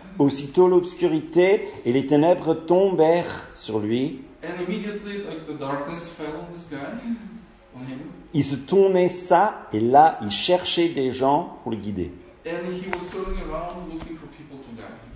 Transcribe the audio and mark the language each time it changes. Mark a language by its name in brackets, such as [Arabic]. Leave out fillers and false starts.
[French] Aussitôt l'obscurité et les ténèbres tombèrent sur lui. [English] And immediately, like the darkness fell on this guy, on him. [French] Il se tournait ça et là, il cherchait des gens pour le guider. [English] And he was turning around looking for people to guide.